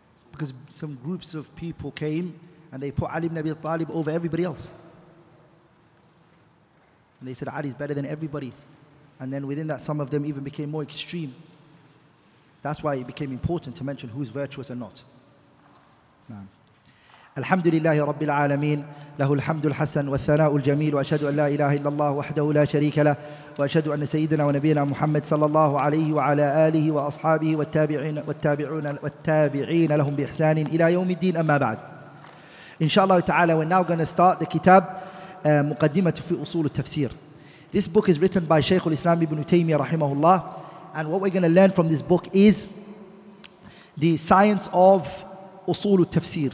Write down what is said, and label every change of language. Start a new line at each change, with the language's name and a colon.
English: Because some groups of people came and they put Ali ibn Abi Talib over everybody else. And they said Ali's better than everybody. And then within that, some of them even became more extreme. That's why it became important to mention who's virtuous and not. Nah.
Arabic: الحمد لله رب العالمين له الحمد الحسن والثناء الجميل وأشهد أن لا إله إلا الله وحده لا شريك له وأشهد أن سيدنا ونبينا محمد صلى الله عليه وعلى آله وأصحابه والتابعين لهم بإحسان إلى يوم الدين أما بعد إن شاء الله تعالى.
English: We're now going to start the kitab مقدمة في أصول التفسير. This book is written by Shaykh al-Islam ibn Taymiyyah rahimahullah, and what we're going to learn from this book is the science of Usool al-Tafsir.